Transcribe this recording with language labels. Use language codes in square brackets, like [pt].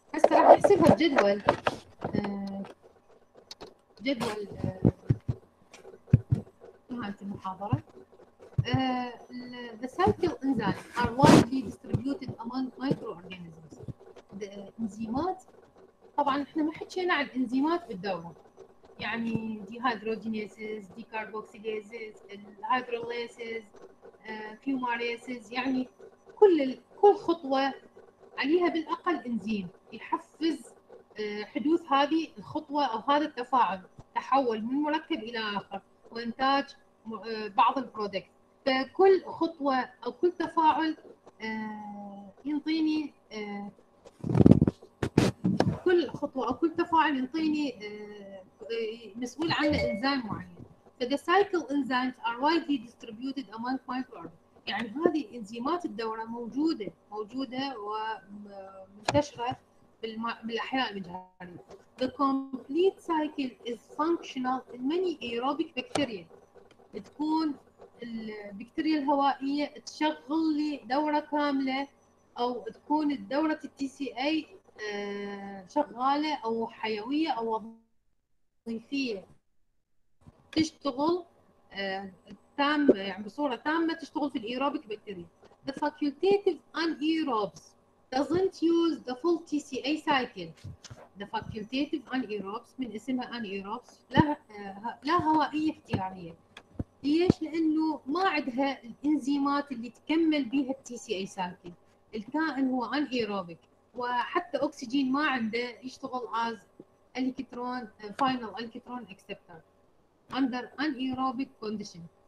[ar] راح احسبها بجدول جدول نهاية المحاضرة. [en] The cycle enzyme are widely distributed among microorganisms. [ar] The انزيمات طبعا احنا ما حكينا عن الانزيمات بالدورة يعني [en] dehydrogenases, decarboxylases, hydrolases, fumarases [ar] يعني كل خطوة عليها بالاقل انزيم يحفز حدوث هذه الخطوة أو هذا التفاعل تحول من مركب إلى آخر وإنتاج بعض البرودكت. فكل خطوة أو كل تفاعل ينطيني كل خطوة أو كل تفاعل يعطيني مسؤول عن إنزيم معين. [en] فthe cycle enzymes are widely distributed among microorganisms. [ar] يعني هذه إنزيمات الدورة موجودة ومنتشرة بالأحياء المجهرية. [en] The complete cycle is functional in many aerobic bacteria. [ar] تكون البكتيريا الهوائية تشغل لي دورة كاملة، أو تكون الدورة الـ TCA شغالة أو حيوية أو وظيفية تشتغل تام يعني بصورة تامة تشتغل في الايروبيك بكتيريا. [en] The facultative anaerobes doesn't use the full TCA cycle. The facultative anaerobes [ar] من اسمها anaerobes لا هوائية اختيارية. ليش؟ لأنه ما عندها الإنزيمات اللي تكمل بها الـ TCA cycle. الكائن هو anaerobic، وحتى أكسجين ما عنده يشتغل as الكترون final الكترون acceptor [en] under anaerobic condition.